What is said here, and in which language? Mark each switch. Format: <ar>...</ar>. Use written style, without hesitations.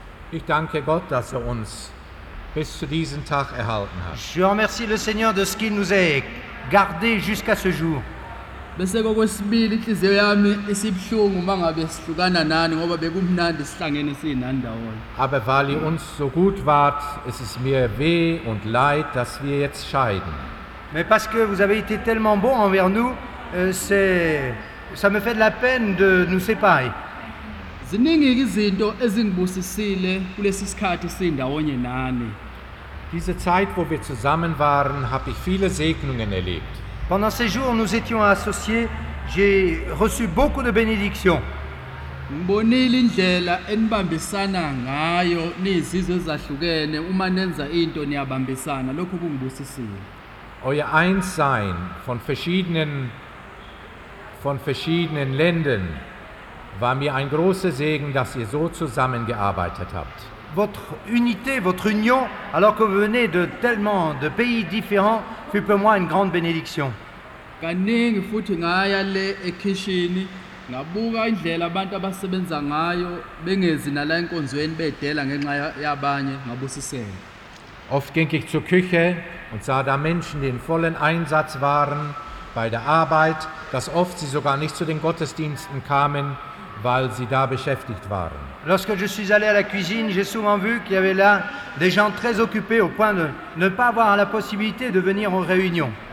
<de>Ich danke Gott, dass er uns bis zu diesem Tag erhalten hat.</de> <fr>Je remercie le Seigneur de ce qu'il nous a gardé jusqu'à ce jour.</fr> <de>Aber weil ihr uns so gut wart, ist es mir weh und leid, dass wir jetzt scheiden.</de> <fr>Mais parce que vous avez été tellement bon envers nous, c'est ça me fait de la peine de nous séparer.</fr> <zu>Ziningi izinto ezingibusisile kulesi sikhathi sindawonye nani.</zu> <de>Diese Zeit, wo wir zusammen waren, habe ich viele Segnungen erlebt.</de> <fr>Pendant ces jours, nous étions associés, j'ai reçu beaucoup de bénédictions.</fr> <zu>Ngibonile indlela enibambisana ngayo nezizwe ezahlukene uma nenza into niyabambisana lokho kungibusisile.</zu> <de>Euer Einssein von verschiedenen Ländern war mir ein großer Segen, dass ihr so zusammengearbeitet habt.</de> <fr>Votre unité, votre union, alors que vous venez de tellement de pays différents, fut pour moi une grande bénédiction.</fr> <zu>Kaningi futhi ngaya le ekhishini ngabuka indlela abantu abasebenza ngayo bengezi nala enkonzweni bedela ngenxa yabanye ngabusisela.</zu> <de>Oft ging ich zur Küche und sah da Menschen, die in vollen Einsatz waren bei der Arbeit, dass oft sie sogar nicht zu den Gottesdiensten kamen, weil sie da beschäftigt waren.</de> <fr>Lorsque je suis allé à la cuisine, j'ai souvent vu qu'il y avait là des gens très occupés au point de ne pas avoir la possibilité de venir aux réunions.</fr>